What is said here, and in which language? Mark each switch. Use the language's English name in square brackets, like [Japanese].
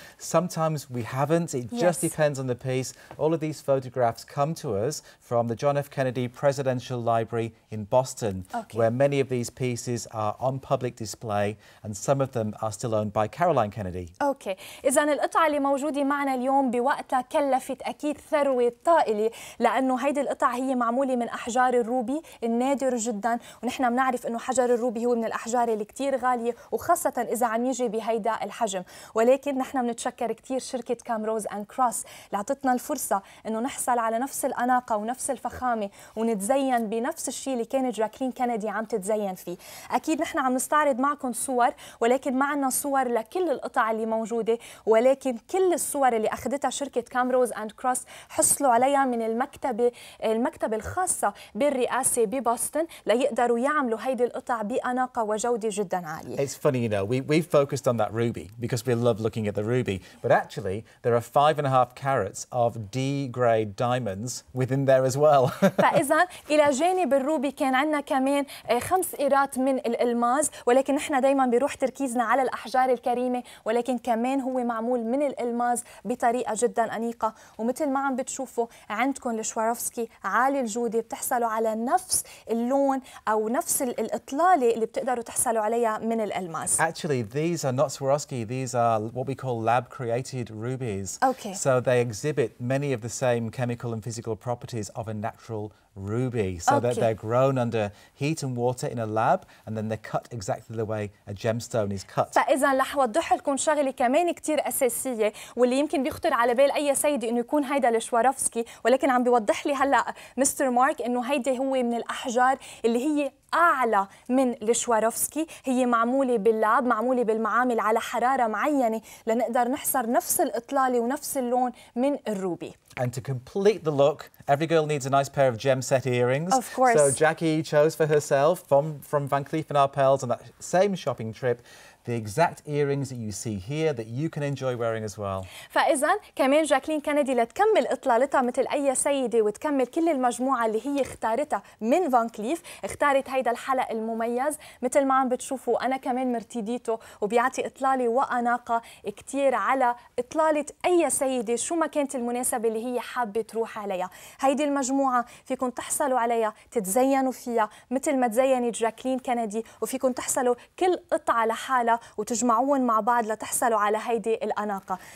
[English] Sometimes we haven't. It just depends on the piece. All of these photographs come to us from the John F. Kennedy Presidential Library in Boston, where many of these pieces are on public display, and some of them are still owned by Caroline Kennedy. Okay. [Arabic] إذا القطعة اللي موجودة معنا اليوم بوقتها كلفت أكيد ثروة طائلة لأنه هيدي القطعة هي معمولة من أحجار الروبي النادر جدا ونحن بنعرف إنه حجر الروبي هو من الأحجار اللي كتير غالية وخاصة إذا عم يجي بهيدا الحجم ولكن نحن منتشكر كتير شركة كامروز أند كروس لعطتنا الفرصة إنه نحصل على نفس الأناقة ونفس الفخامة ونتزين بنفس الشيء اللي كانت جاكلين كينيدي عم تتزين فيه أكيد نحن عم نستعرض معكم صور ولكن ما عنا صور لكل القطع اللي موجودة ولكن كل الصور اللي أخذتها شركة كامروز أند كروس حصلوا عليها من المكتبة الخاصة بالرئاسة ببوسطن ليقدروا يعملوا هيدي القطع بأناقة وجودة جدا عالية [English] You know, we focused on that ruby because we love looking at the ruby. But actually, there are 5.5 carats of D-grade diamonds within there as well. [Arabic] فإذن إلى جانب الروبي كان عنا كمان 5 إيرات من الألماز. ولكن نحن دائما بيروح تركيزنا على الأحجار الكريمة. ولكن كمان هو معمول من الألماز بطريقة جدا أنيقة. ومثل ما عم بتشوفوا عندكم الشوارفسكي عالي الجودة بتحصلوا على نفس اللون أو نفس الإطلالة اللي بتقدروا تحصلوا عليها من الألماز. [English] Actually, these are not Swarovski. These are what we call lab-created rubies. Okay. So they exhibit many of the same chemical and physical properties of a natural ruby. So that they're grown under heat and water in a lab, and then they're cut exactly the way a gemstone is cut. [Arabic] فإذا رح أوضح لكم شغلة كمان كتير أساسية واللي يمكن بيخطر على بال أي سيد إنه يكون هيدا لشوارفسكي ولكن عم بيوضح لي هلا مستر مارك إنه هيدا هو من الأحجار اللي هي أعلى من الشوارفسكي هي معمولة باللاب معمولة بالمعامل على حرارة معينة لنقدر نحصر نفس الإطلالة ونفس اللون من الروبي [English] And to complete the look, every girl needs a nice pair of gem set earrings. Of course. So Jackie chose for herself from Van Cleef & Arpels on that same shopping trip the exact earrings that you see here that you can enjoy wearing as well. [Arabic] فإذا كمان جاكلين كينيدي لتكمل إطلالتها مثل أي سيدة وتكمل كل المجموعة اللي هي اختارتها من فان كليف اختارت هيدا الحلق المميز مثل ما عم بتشوفوا أنا كمان مرتديته وبيعطي إطلالة وأناقة كتير على إطلالة أي سيدة شو ما كانت المناسبة اللي هي حابة تروح عليها هيدي المجموعة فيكن تحصلوا عليها تتزينوا فيها مثل ما تزينت جاكلين كينيدي وفيكن تحصلوا كل قطعة لحال وتجمعون مع بعض لتحصلوا على هيدي الأناقة